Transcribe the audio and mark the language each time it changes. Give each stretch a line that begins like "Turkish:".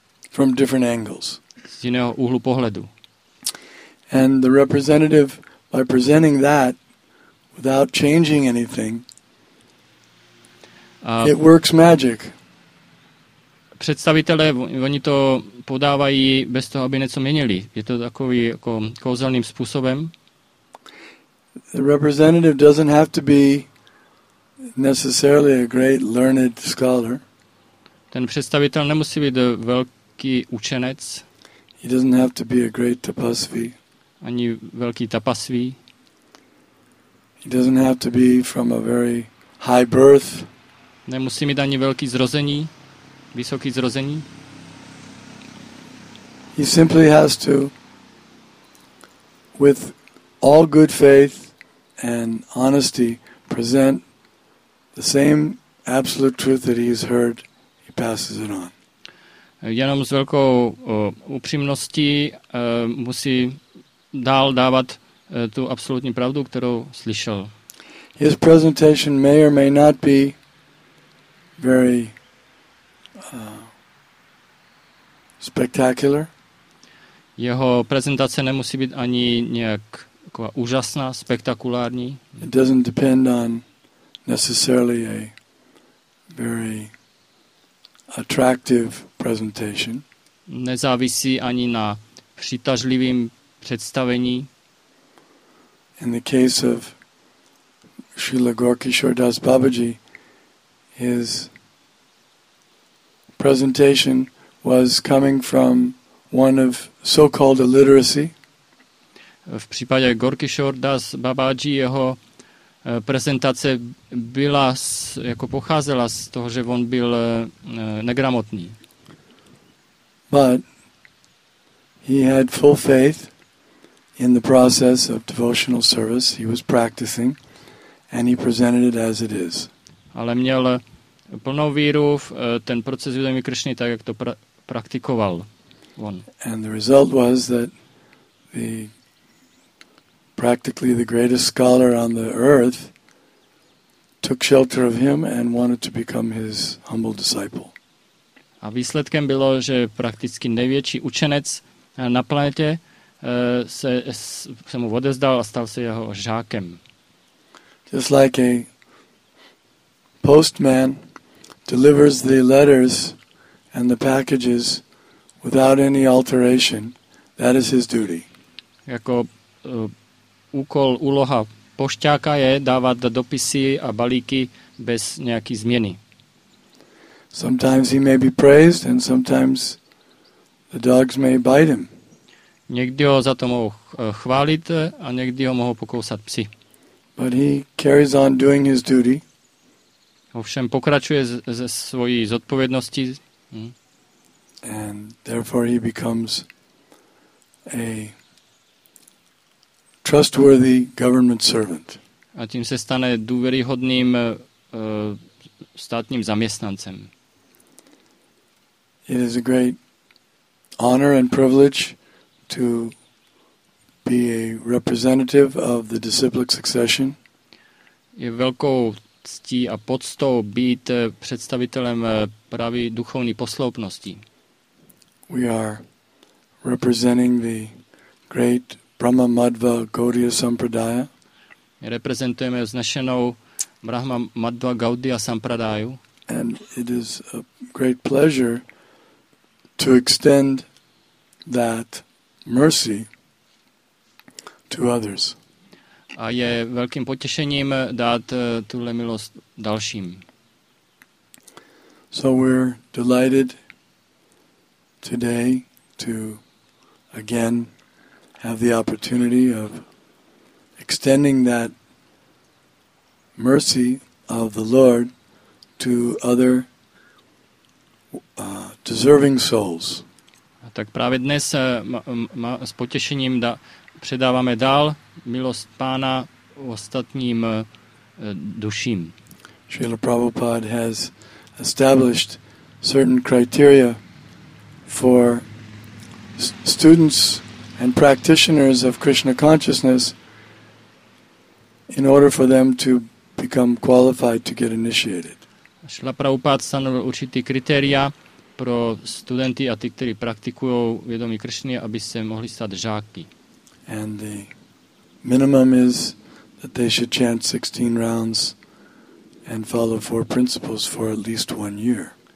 English: From different angles.
Czech: Z jiného úhlu pohledu.
English: And the representative, by presenting that without changing anything, it works magic.
Czech: predstavitelé, oni to podávají bez toho, aby něco měnili. Je to takový jako kouzelným způsobem.
English: The representative doesn't have to be necessarily a great learned scholar.
Czech: Ten představitel nemusí být velký učenec.
English: He doesn't have to be a great tapasvi.
Czech: Ani velký tapasvi.
English: He doesn't have to be from a very high birth.
Czech: Nemusí mít ani velký zrození, vysoký zrození.
English: He simply has to, with all good faith and honesty, present the same absolute truth that he has heard. He passes it on.
Czech: Jenom s velkou upřímností musí dál dávat tu absolutní pravdu, kterou slyšel.
English: His presentation may or may not be very spectacular.
Czech: Jeho prezentace nemusí být ani nějak jako úžasná, spektakulární.
English: It doesn't depend on necessarily a very attractive presentation.
Czech: Nezávisí ani na přitažlivým představení.
English: In the case of Srila Gaurakishore Das Babaji, his presentation was coming from one of so-called illiteracy.
Czech: V případě Gaurakishore Das Babaji jeho prezentace byla jako pocházela z toho, že on byl negramotný.
English: But he had full faith in the process of devotional service he was practicing, and he presented it as it is.
Czech: Ale měl plnou víru v ten proces vědomí Krišny tak, jak to praktikoval on.
English: And the result was that the practically the greatest scholar on the earth took shelter of him and wanted to become his humble disciple.
Czech: A výsledkem bylo, že prakticky největší učenec na planetě se mu odezdal a stal se jeho žákem.
English: Just like a postman delivers the letters and the packages without any alteration, that is his duty.
Czech: Jako úkol, úloha pošťáka je dávat dopisy a balíky bez nějaký změny.
English: Sometimes he may be praised and sometimes the dogs may bite him.
Czech: Někdy ho za to mohou chválit a někdy ho mohou pokousat psi.
English: But he carries on doing his duty.
Czech: Ovšem pokračuje ze svojí zodpovědnosti.
English: And therefore he becomes a trustworthy government servant.
Czech: A tím se stane důvěryhodným státním zaměstnancem.
English: It is a great honor and privilege to be a representative of the disciplic succession.
Czech: Je velkou ctí a poctou být představitelem pravý duchovní posloupnosti.
English: We are representing the great Brahma Madhva Gaudiya Sampradaya.
Czech: Reprezentujeme vznešenou Brahma Madhva Gaudiya Sampradaya.
English: And it is a great pleasure to extend that mercy to others.
Czech: A je velkým potěšením dát tuhle milost dalším.
English: So we're delighted today to again have the opportunity of extending that mercy of the Lord to other deserving souls.
Czech: A tak právě dnes s potěšením předáváme dál milost Pána ostatním duším.
English: Srila Prabhupada has established certain criteria for students and practitioners of Krishna consciousness in order for them to become qualified to get initiated.
Czech: Srila Prabhupada stanovil určitý kritéria pro studenty a ty, kteří praktikují vědomí Krišny, aby se mohli stát žáky.
English: And the minimum is that they should chant 16 rounds and follow four principles for at least one year.